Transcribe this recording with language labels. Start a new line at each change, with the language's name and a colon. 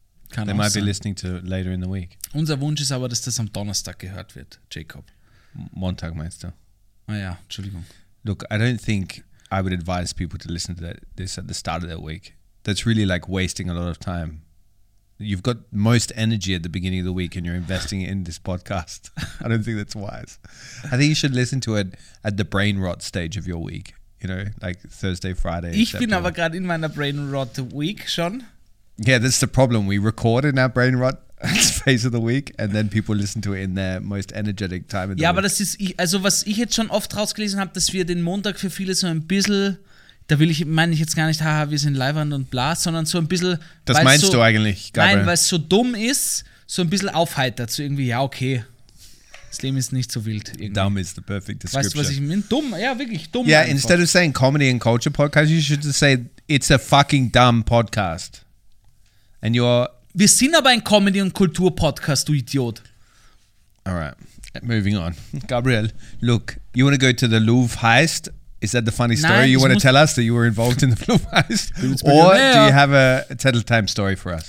English: Kann They might sein. Be listening to later in the week.
German: Unser Wunsch ist aber, dass das am Donnerstag gehört wird, Jacob. Montag meinst du? Ah ja, Entschuldigung.
English: Look, I don't think I would advise people to listen to this at the start of their week. That's really like wasting a lot of time. You've got most energy at the beginning of the week and you're investing in this podcast. I don't think that's wise. I think you should listen to it at the brain rot stage of your week. You know, like Thursday, Friday.
German: Ich bin aber gerade in meiner brain rot week schon.
English: Yeah, that's the problem. We record in our brain rot phase of the week and then people listen to it in their most energetic time of the week.
German: Ja, aber das ist, also was ich jetzt schon oft rausgelesen habe, dass wir den Montag für viele so ein bisschen, da will ich, meine ich jetzt gar nicht, haha, wir sind live und bla, sondern so ein bisschen. Das meinst so, du eigentlich, Gabriel? Nein, weil es so dumm ist, so ein bisschen aufheitert, so irgendwie, ja, okay, das Leben ist nicht so wild.
English: Dumb is the perfect description.
German: Weißt du, was ich meine? Dumm, ja, wirklich, dumm. Yeah, einfach.
English: Instead of saying comedy and culture podcast, you should just say, it's a fucking dumb podcast. And you're.
German: Wir sind aber ein Comedy- und Kultur-Podcast, du Idiot.
English: Alright, moving on. Gabriel, look, you want to go to the Louvre heist? Is that the funny
German: Nein,
English: story you want to tell us that you were involved in the Louvre heist? Or do you have a Tattle Time story for us?